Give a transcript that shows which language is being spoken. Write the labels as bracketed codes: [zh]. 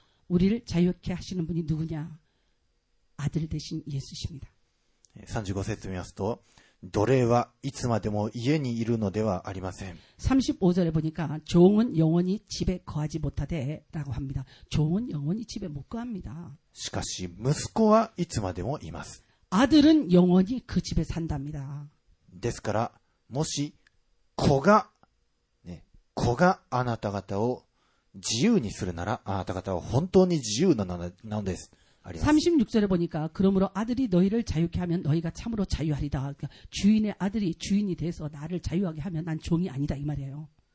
[ko] 우리를자유케하시는분이누구냐。 아들대신예수십니다。 [ja] 35節見ますと、奴隷はいつまでも家にいるのではありません。 [ko] 35절에보니까、종은영원히집에거하지못하대라고합니다。 종은영원히집에못거합니다。 [ja] しかし、息子はいつまでもいます。 [ko] 아들은영원히그집에산답니다。 [ja] ですから、もし、子が、ね、子があなた方を自由にするなら、あなた方は本当に自由なのです。 [ko] 36절에보니까그러므로아들이너희를자유케하면너희가참으로자유하리다그러니까주인의아들이주인이돼서나를자유하게하면난종이아니다이말이에요